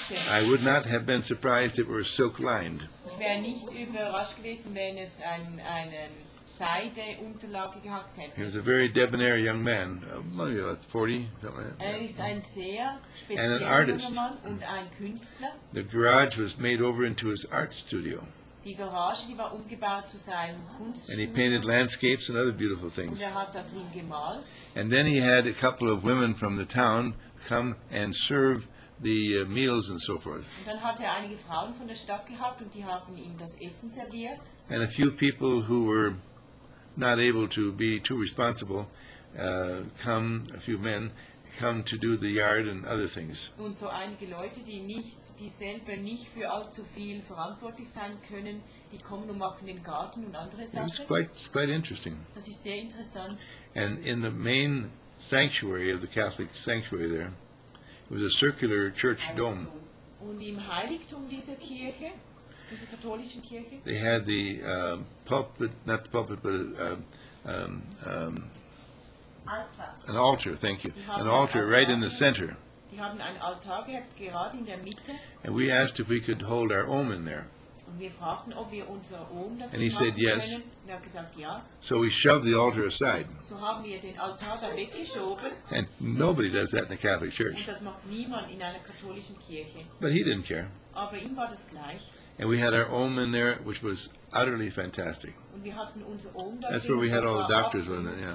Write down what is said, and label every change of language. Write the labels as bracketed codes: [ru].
[en] I would not have been surprised if it were silk lined. He was a very debonair young man, maybe about 40, something like that. [de] Er ist ein sehr [en] and an artist. [de] Und ein Künstler. [en] The garage was made over into his art studio. [de] Die Garage, die war umgebaut zu seinem Kunststudio. [en] And he painted landscapes and other beautiful things. [de] Und er hat da drin gemalt. [en] And then he had a couple of women from the town come and serve the meals and so forth. [de] Und dann hat er einige Frauen von der Stadt gehabt und die haben ihm das Essen serviert. [en] And a few people who were not able to be too responsible, come, a few men, come to do the yard and other things. [de] Und so einige Leute, die nicht, die selber nicht für allzu viel verantwortlich sein können, die kommen und machen den Garten und andere Sachen. [en] It's quite interesting. [de] Das ist sehr interessant. [en] And in the main sanctuary of the Catholic sanctuary there, it was a circular church dome. [de] Und im Heiligtum dieser Kirche, dieser katholischen Kirche, [en] they had the pulpit, not the pulpit, but an altar, thank you, an altar right in the center. [de] Die haben einen Altar gehabt, gerade in der Mitte. [en] And we asked if we could hold our Om in there. [de] Und wir fragten, ob wir unser Om [en] and he said yes. [de] Und er hat gesagt, ja. [en] So we shoved the altar aside. [de] So haben wir den Altar da weggeschoben. [en] And nobody does that in a Catholic church. [de] Und das macht niemand in einer katholischen Kirche. [en] But he didn't care. [de] Aber ihm war das gleich. [en] And we had our Om in there, which was utterly fantastic. [de] Und wir hatten unser Om da. [en] That's where we had all the doctors on it, yeah.